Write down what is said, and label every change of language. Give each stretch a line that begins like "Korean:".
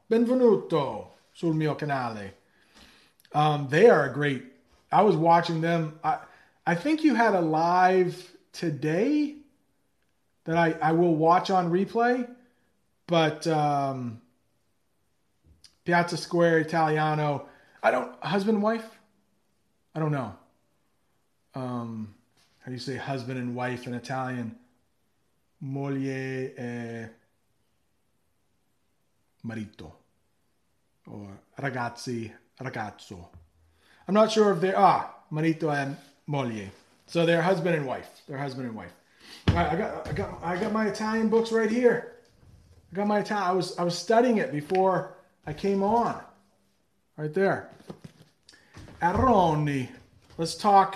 Italian: Benvenuto sul mio canale.
English: They are great. I was watching them. I think you had a live... today that I will watch on replay, but Piazza Square Italiano, how do you say husband and wife in Italian?
Italian: Moglie e marito,
English: or
Italian: ragazzi, ragazzo.
English: I'm not sure if they are marito and moglie. So they're husband and wife. They're husband and wife. All right, I got my Italian books right here. I got my Italian. I was studying it before I came on. Right there. Aroni. Let's talk.